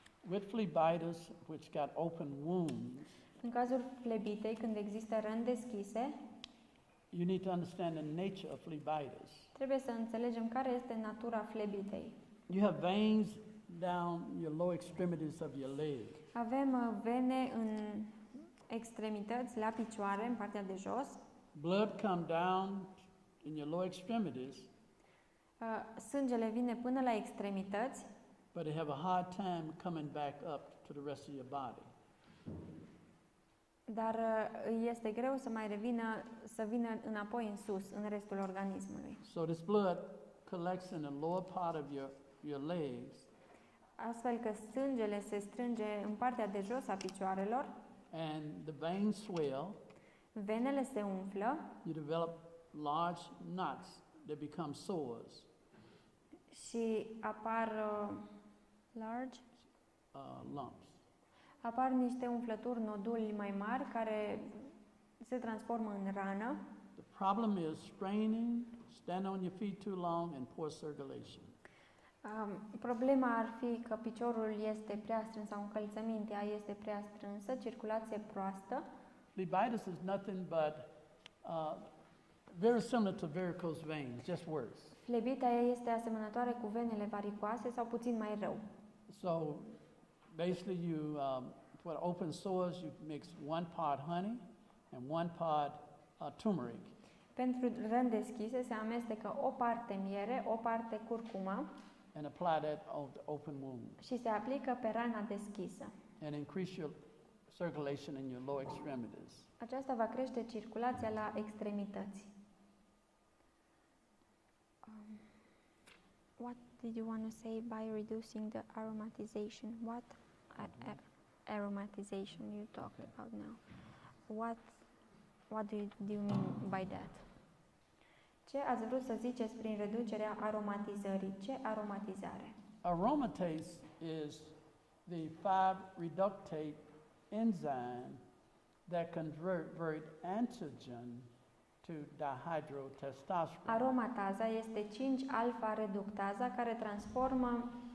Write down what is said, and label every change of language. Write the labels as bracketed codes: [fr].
[en] With phlebitis, which got open wounds, [ro] în cazul flebitei, când există răni deschise, [en] you need to understand the nature of phlebitis. [ro] Trebuie să înțelegem care este natura flebitei. [en] You have veins down your low extremities of your leg. [ro] Avem vene în extremități, la picioare, în partea de jos. [en] Blood come down in your low extremities. [ro] Sângele vine până la extremități. [en] But they have a hard time coming back up to the rest of your body. [ro] Dar este greu să mai revină, să vină înapoi în sus, în restul organismului. [en] So this blood collects in the lower part of your legs. [ro] Astfel că sângele se strânge în partea de jos a picioarelor. [en] And the veins swell. [ro] Venele se umflă. [en] You develop large knots that become sores. [ro] Și apar [en] large lumps. [ro] Apar niște umflături, noduli mai mari care se transformă în rană. [en] The problem is straining, stand on your feet too long and poor circulation. [ro] Problema ar fi că piciorul este prea strâns sau încălțămintea este prea strânsă, circulație proastă. [en] Phlebitis is nothing but very similar to varicose veins, just worse. [ro] Flebita este asemănătoare cu venele varicoase sau puțin mai rău. [en] So basically you put open sores, you mix one part honey and one part turmeric. [ro] Pentru răni deschise se amestecă o parte miere, o parte curcuma. [en] And apply that on the open wound. [ro] Și se aplică pe rana deschisă. [en] And increase your circulation in your low extremities. [ro] Aceasta va crește circulația la extremități. [en] What did you want to say by reducing the aromatization? What aromatization you talked about now? What do you mean by that? [ro] Ce ați vrut să ziceți prin reducerea aromatizării? Ce aromatizare? [en] Aromatase is the 5-reductase enzyme that convert antigen to dihydrotestosterone. [ro] Aromataza este 5-alfa-reductaza care transformă